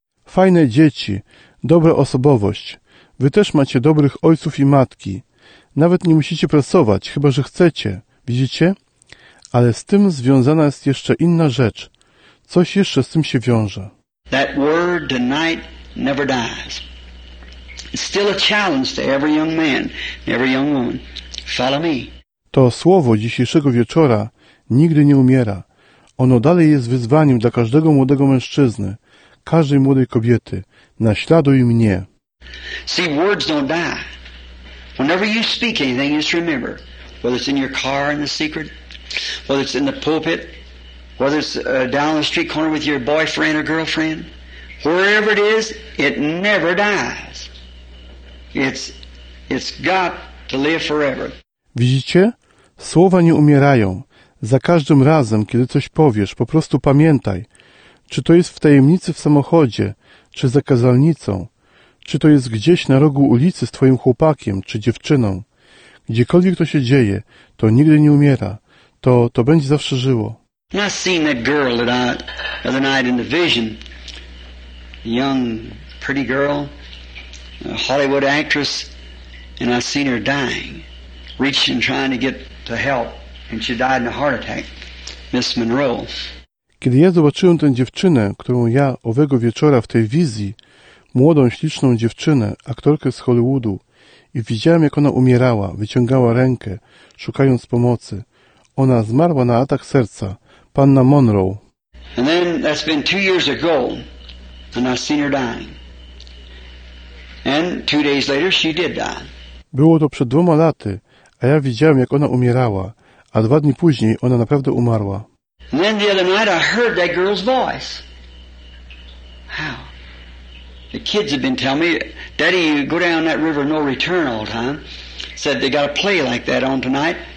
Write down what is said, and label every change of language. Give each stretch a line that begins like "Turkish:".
Polish: Fajne dzieci, dobra osobowość. Wy też macie dobrych ojców i matki. Nawet nie musicie pracować, chyba że chcecie. Widzicie? Ale z tym związana jest jeszcze inna rzecz. Coś jeszcze z tym się wiąże.
English: That word tonight never dies. It's still a challenge to every young man, every young woman. Follow me.
Polish: To słowo dzisiejszego wieczora nigdy nie umiera. Ono dalej jest wyzwaniem dla każdego młodego mężczyzny, każdej młodej kobiety. Naśladuj mnie.
English: See, words don't die. Whenever you speak anything, just remember, whether it's in your car in the secret, whether it's in the pulpit, whether it's down the street corner with your boyfriend or girlfriend, wherever it is, it never dies. It's got to live forever.
Polish: Widzicie? Słowa nie umierają. Za każdym razem, kiedy coś powiesz, po prostu pamiętaj, czy to jest w tajemnicy w samochodzie, czy za kazalnicą, czy to jest gdzieś na rogu ulicy z twoim chłopakiem, czy dziewczyną. Gdziekolwiek to się dzieje, to nigdy nie umiera. To będzie zawsze żyło.
English: I seen that girl that other night in the vision. Young, pretty girl, a Hollywood actress, and I seen her dying, reaching, trying to get to help, and she died in a heart attack. Miss Monroe.
Polish: Kiedy ja zobaczyłem tę dziewczynę, którą ja owego wieczora w tej wizji, młodą, śliczną dziewczynę, aktorkę z Hollywoodu, i widziałem, jak ona umierała, wyciągała rękę, szukając pomocy. Ona zmarła na atak serca. Panna Monroe.
English: And then that's been 2 years ago, and I seen her dying. And 2 days later, she did die.
Polish: Było to przed 2 laty, a ja widziałem, jak ona umierała, a 2 dni później ona naprawdę umarła.
English: And then the other night, I heard that girl's voice. How? The kids have been telling me, Daddy, you go down that river, no return all the time. Said they got a play like that on tonight.